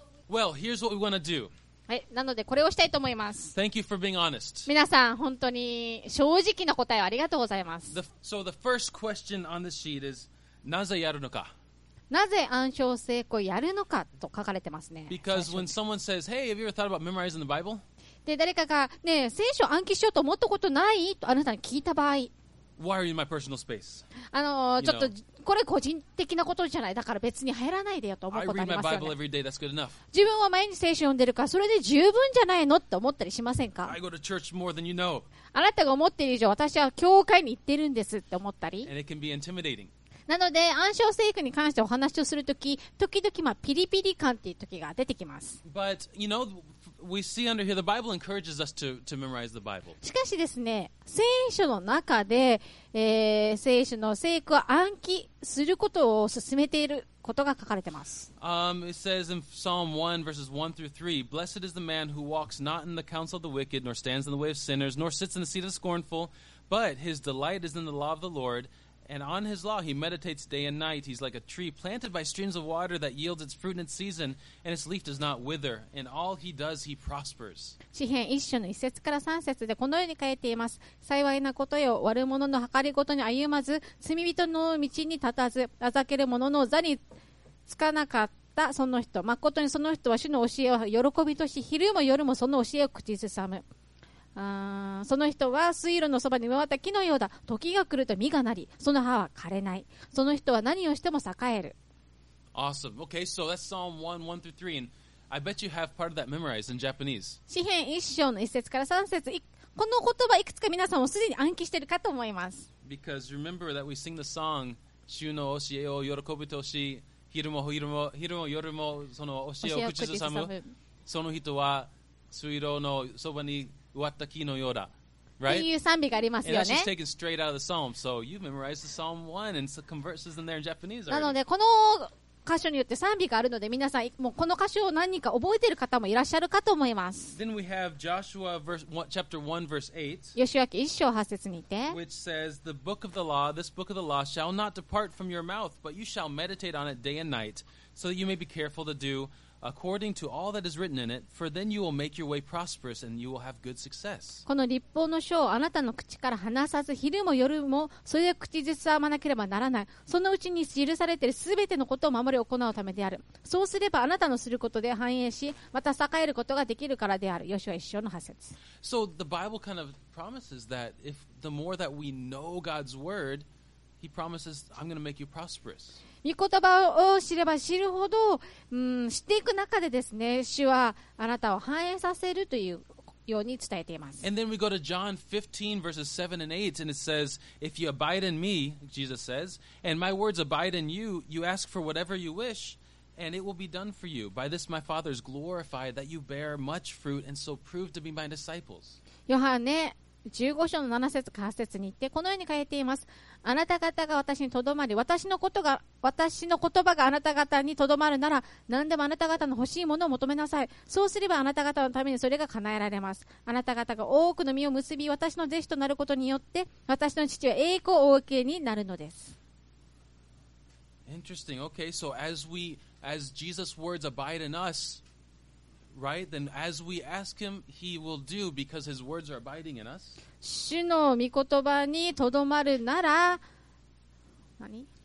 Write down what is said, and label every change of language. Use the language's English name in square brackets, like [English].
[English] Well, here's what we want to do. [Japanese] はい、なのでこれをしたいと思います。 [English] Thank you for being honest. [Japanese] 皆さん本当に正直な答えをありがとうございます。 [English] So the first question on the sheet is [Japanese] なぜやるのか。なぜ暗唱聖句をやるのかと書かれてますね。 [English] Because when someone says Hey, have you ever thought about memorizing the Bible? [Japanese] で誰かがね、聖書暗記しようと思ったことないとあなたに聞いた場合、 [English] Why are you in my personal space? [Japanese] ちょっと、 [English] you know? [Japanese] これ個人的なことじゃない、だから別に入らないでよと思うことありますよね。 [English] I read my Bible every day. [Japanese] 自分は毎日聖書読んでるからそれで十分じゃないのって思ったりしませんか。 [English] I go to church more than you know. [Japanese] あなたが思っている以上私は教会に行ってるんですって思ったり。 [English] And it can be intimidating. [Japanese] なので暗唱聖句に関してお話をするとき時々まあピリピリ感っていう時が出てきます。 [English] But you know, we see under here the Bible encourages us to memorize the Bible. [Japanese] しかしですね、聖書の中で聖書の聖句を暗記することを勧めていることが書かれてます。 [English] It says in Psalm 1 verses 1 through 3, Blessed is the man who walks not in the counsel of the wicked, nor stands in the way of sinners, nor sits in the seat of the scornful, but his delight is in the law of the Lord, and on his law he meditates day and night. He's like a tree planted by streams of water that yields its fruit in its season, and its leaf does not wither. In all he does, he prospers. [Japanese] 詩編1章の1節から3節でこのように書いています。幸いなことよ、悪者の計りごとに歩まず、罪人の道に立たず、あざける者の座につかなかったその人。まことにその人は主の教えを喜びとし、昼も夜もその教えを口ずさむ。その人は水路のそばに植わった木のようだ。時が来ると実がなり、その葉は枯れない。その人は何をしても栄える。 [English] Awesome. Okay, so that's Psalm 1, 1 through 3. And I bet you have part of that memorized in Japanese. [Japanese] 詩編1章の1節から3節。この言葉いくつか皆さんもすでに暗記してるかと思います。 [English] Because remember that we sing the song, [Japanese] 主の教えを喜びとし、昼も夜もその教えを口ずさむ。その人は水路のそばに植わった木のようだ、right? っていう賛美がありますよね。 [English] And that's just taken straight out of the psalm. So you've memorized the Psalm 1 and some verses in there in Japanese already. [Japanese] なのでこの箇所によって賛美があるので皆さんもうこの箇所を何人か覚えている方もいらっしゃるかと思います。 [English] Then we have Joshua verse, chapter 1 verse 8 [Japanese] ヨシュア記1章8節にて [English] Which says the book of the law, this book of the law shall not depart from your mouth, but you shall meditate on it day and night, so that you may be careful to doAccording to all that is written in it, for then you will make your way prosperous and you will have good success. [Japanese] この律法の書をあなたの口から離さず、昼も夜もそれを口ずさまなければならない。そのうちに記されているすべてのことを守り行うためである。そうすればあなたのすることで繁栄し、また栄えることができるからである。ヨシュア一章の8節。 [English] So the Bible kind of promises that if the more that we know God's word, He promises, I'm going to make you prosperous. [Japanese] 御言葉を知れば知るほど、うん、知っていく中でですね、主はあなたを反映させるというように伝えています。 [English] And then we go to John 15 verses 7 and 8 and it says, If you abide in me, Jesus says, and my words abide in you, you ask for whatever you wish, and it will be done for you. By this my Father is glorified that you bear much fruit and so prove to be my disciples. [Japanese] ヨハネ15章の7節から8節に行ってこのように書いています。あなた方が私にとどまり、私の言葉があなた方にとどまるなら、何でもあなた方の欲しいものを求めなさい。そうすればあなた方のためにそれが叶えられます。あなた方が多くの実を結び、私の弟子となることによって、私の父は栄光をお受けになるのです。 [English] Interesting. Okay, so as Jesus' words abide in us,Right? Then as we ask him, he will do because his words are abiding in us. [Japanese] 主の御言葉にとどまるなら、何？